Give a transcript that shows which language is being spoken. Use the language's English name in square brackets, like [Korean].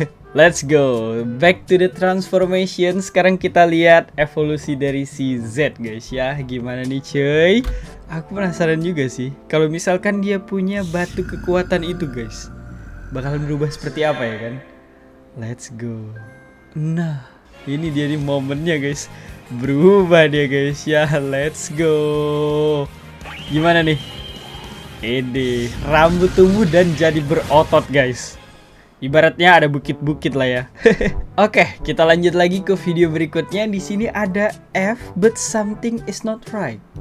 [English] Let's go back to the transformation. [Indonesian] Sekarang kita lihat evolusi dari si Z guys ya. Gimana nih cuy? Aku penasaran juga sih. Kalau misalkan dia punya batu kekuatan itu guys, bakalan berubah seperti apa ya kan? [English] Let's go. [Indonesian] Nah, ini dia nih momennya guys. Berubah dia guys ya. [English] Let's go. [Indonesian] Gimana nih? Ini rambut tumbuh dan jadi berotot guys. Ibaratnya ada bukit-bukit lah ya. Oke, kita lanjut lagi ke video berikutnya. Di sini ada F, [English] but something is not right.